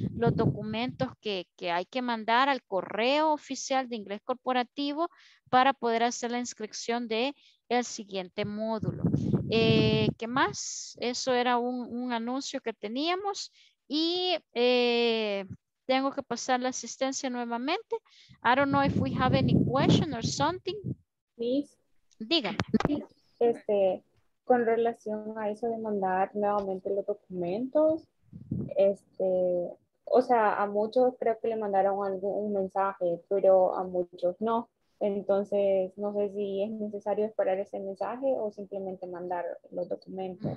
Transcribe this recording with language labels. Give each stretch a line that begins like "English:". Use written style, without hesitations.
Spanish: los documentos que hay que mandar al correo oficial de inglés corporativo para poder hacer la inscripción de el siguiente módulo. ¿Qué más? Eso era un anuncio que teníamos y tengo que pasar la asistencia nuevamente.
English: I don't know if we have any question or something. Please.
Spanish: Díganme. Este, con relación a eso de mandar nuevamente los documentos, este, o sea, a muchos creo que le mandaron algún mensaje, pero a muchos no. Entonces, no sé si es necesario esperar ese mensaje o simplemente mandar los documentos.